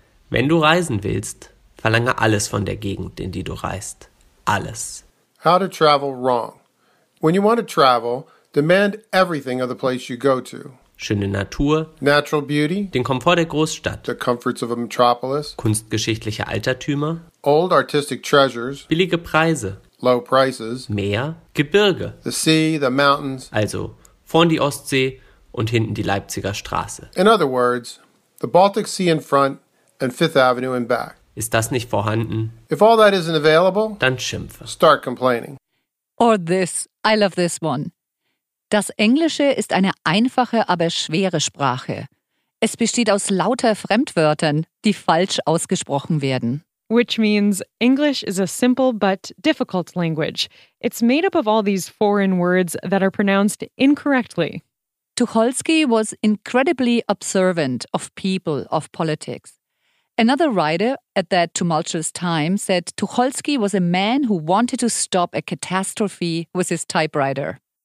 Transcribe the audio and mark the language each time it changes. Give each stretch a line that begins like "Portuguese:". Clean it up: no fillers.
German: Wenn du reisen willst, verlange alles von der Gegend, in die du reist. Alles.
English: How to travel wrong. When you want to travel, demand everything of the place you go to.
German: Schöne Natur.
English: Natural beauty.
German: Den Komfort der Großstadt.
English: The comforts of a metropolis.
German: Kunstgeschichtliche Altertümer.
English: Old artistic treasures.
German: Billige Preise.
English: Low prices.
German: Meer. Gebirge.
English: The sea, the mountains.
German: Also, vorn die Ostsee und hinten die Leipziger Straße.
English: In other words, the Baltic Sea in front and Fifth Avenue in back.
German: Ist das nicht vorhanden?
English: If all that isn't available,
German: dann schimpfe.
English: Start complaining. Or this. I love this one.
German: Das Englische ist eine einfache, aber schwere Sprache. Es besteht aus lauter Fremdwörtern, die falsch ausgesprochen werden.
English: Which means English is a simple but difficult language. It's made up of all these foreign words that are pronounced incorrectly. Tucholsky was incredibly observant of people, of politics. Another writer at that tumultuous time said Tucholsky was a man who wanted to stop a catastrophe with his typewriter.